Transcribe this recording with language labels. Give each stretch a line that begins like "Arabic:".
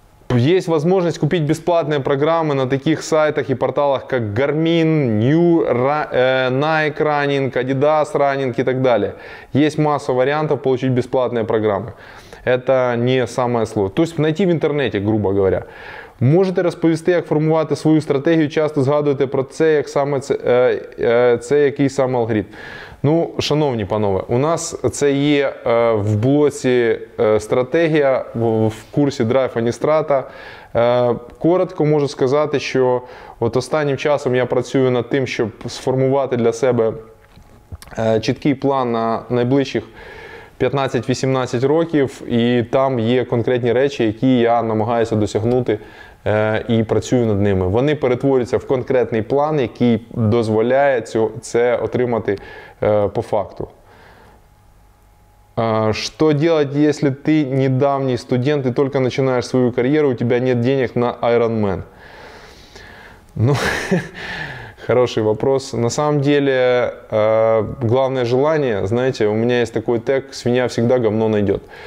Russian: Есть возможность купить бесплатные программы на таких сайтах и порталах, как Garmin, New, Nike Running, Adidas Running и так далее. Есть масса вариантов получить бесплатные программы. Это не самое сложное. То есть найти в интернете, грубо говоря.
Ukrainian: Можете розповісти, як формувати свою стратегію, часто згадуєте про це, як саме це який саме алгоритм. Ну, шановні панове, у нас це є в блоці стратегія, в курсі Drive Anistrata. Коротко можу сказати, що от останнім часом я працюю над тим, щоб сформувати для себе чіткий план на найближчих 15-18 років, і там є конкретні речі, які я намагаюся досягнути і працюю над ними. Вони перетворюються в конкретний план, який дозволяє це отримати по факту.
Russian: Что делать, если ты недавний студент и только начинаешь свою карьеру, у тебя нет денег на Ironman? Ну, хороший вопрос. На самом деле, главное желание, знаете, у меня есть такой тег, свинья всегда говно найдет.